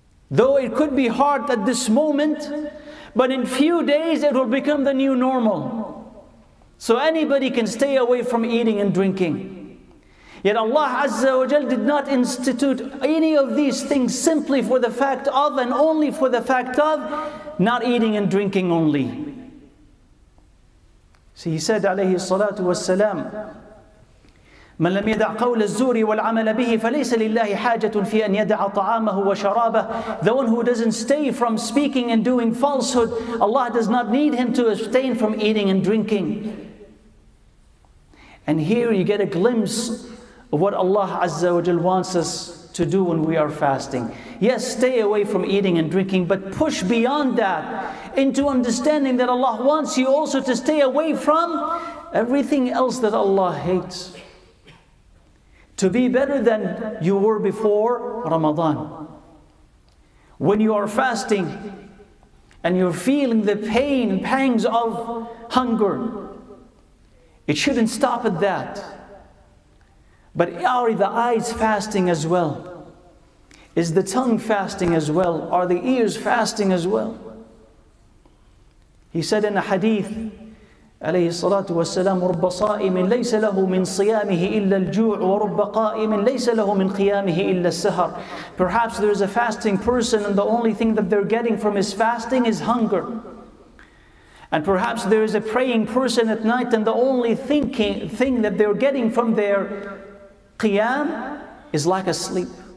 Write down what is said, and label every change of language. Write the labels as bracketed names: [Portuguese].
[English] Though it could be hard at this moment, but in few days it will become the new normal. So anybody can stay away from eating and drinking. Yet Allah Azza wa Jal did not institute any of these things simply for the fact of and only for the fact of not eating and drinking only. See, he said [Arabic] alayhi salatu wassalam, من لم يدع قول الزور والعمل به فليس لله حاجة في أن يدع طعامه وشرابه. [English] The one who doesn't stay from speaking and doing falsehood, Allah does not need him to abstain from eating and drinking. And here you get a glimpse of what Allah Azza wa Jal wants us to do when we are fasting. Yes, stay away from eating and drinking, but push beyond that into understanding that Allah wants you also to stay away from everything else that Allah hates. To be better than you were before Ramadan. When you are fasting and you're feeling the pain and pangs of hunger, it shouldn't stop at that. But are the eyes fasting as well? Is the tongue fasting as well? Are the ears fasting as well? He said in a hadith, [Arabic] عليه الصلاة والسلام رب صائم ليس له من صيامه إلا الجوع ورب قائم ليس له من قيامه إلا السهر. [English] Perhaps there is a fasting person and the only thing that they're getting from his fasting is hunger. And perhaps there is a praying person at night and the only thing that they're getting from their qiyam is lack of sleep.